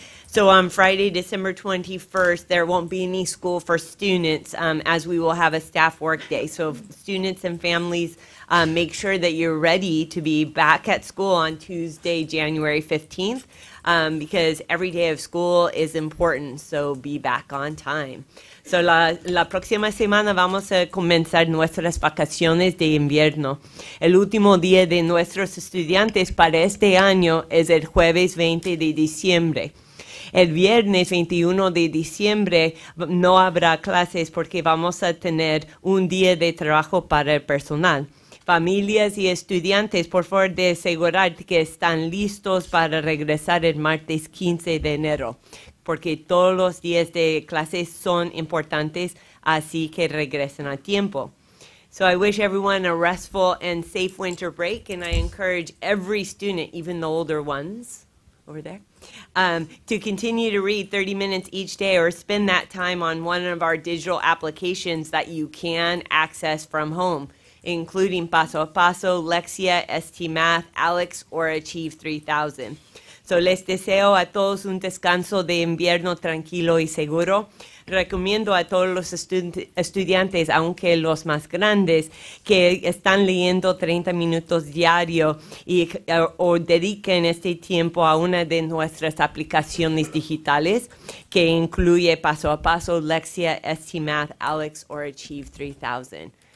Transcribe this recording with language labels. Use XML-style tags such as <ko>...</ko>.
<en>So on Friday, December 21st, there won't be any school for students as we will have a staff work day. So students and families, make sure that you're ready to be back at school on Tuesday, January 15th, because every day of school is important, so be back on time.</en> <es>So la próxima semana vamos a comenzar nuestras vacaciones de invierno. El último día de nuestros estudiantes para este año es el jueves 20 de diciembre. El viernes 21 de diciembre no habrá clases porque vamos a tener un día de trabajo para el personal. Familias y estudiantes, por favor, de asegurar que están listos para regresar el martes 15 de enero, porque todos los días de clases son importantes, así que regresen a tiempo.</es> <en>So I wish everyone a restful and safe winter break, and I encourage every student, even the older ones over there, to continue to read 30 minutes each day or spend that time on one of our digital applications that you can access from home, including Paso a Paso, Lexia, ST Math, Alex, or Achieve 3000.</en> <es>So les deseo a todos un descanso de invierno tranquilo y seguro. Recomiendo a todos los estudiantes, aunque los más grandes, que están leyendo 30 minutos diario y o dediquen este tiempo a una de nuestras aplicaciones digitales que incluye Paso a Paso, Lexia, ST Math, Alex, or Achieve 3000.</es>